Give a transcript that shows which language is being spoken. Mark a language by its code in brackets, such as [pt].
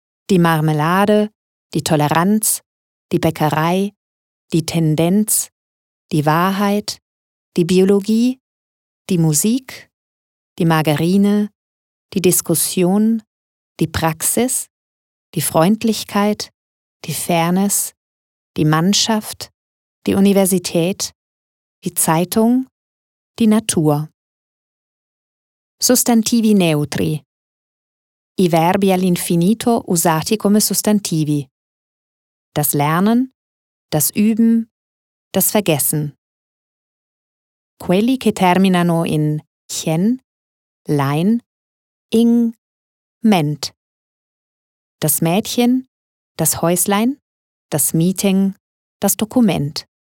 [de] Die Marmelade, die Toleranz, die Bäckerei, die Tendenz, die Wahrheit, die Biologie, die Musik, die Margarine, die Diskussion, die Praxis, die Freundlichkeit, die Fairness, die Mannschaft, die Universität, die Zeitung, die Natur. [it] Sostantivi neutri. I verbi all'infinito usati come sostantivi. [de] Das Lernen, das Üben, das Vergessen. [it] Quelli che terminano in chen, lein, ing, ment. [de] Das Mädchen, das Häuslein, das Meeting, das Dokument.